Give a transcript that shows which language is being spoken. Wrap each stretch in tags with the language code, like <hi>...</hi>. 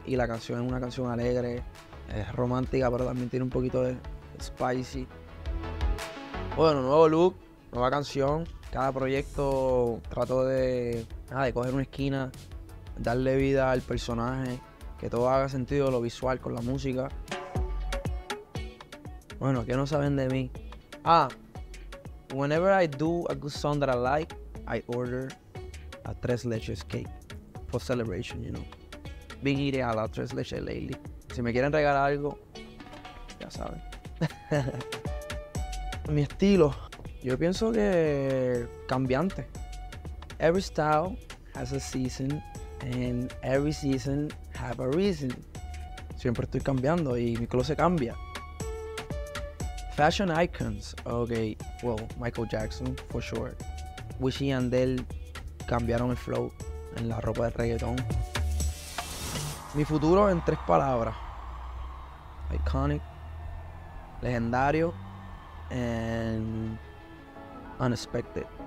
<es>Y la canción es una canción alegre, es romántica, pero también tiene un poquito de spicy. Bueno, nuevo look, nueva canción. Cada proyecto trato de coger una esquina, darle vida al personaje, que todo haga sentido, lo visual con la música. Bueno, ¿qué no saben de mí?</es> <en>Whenever I do a good song that I like, I order a tres leches cake for celebration, you know. Been eating a lot of tres leches lately.</en> <es>Si me quieren regalar algo, ya saben. Mi estilo, yo pienso que cambiante.</es> <en>Every style has a season and every season have a reason.</en> <es>Siempre estoy cambiando y mi closet cambia.</es> <en>Fashion icons, okay, well, Michael Jackson for sure.</en> <es>Wisin y Yandel cambiaron el flow en la ropa de reggaetón. Mi futuro en tres palabras: iconic, legendario,</es> <en>and unexpected.</en>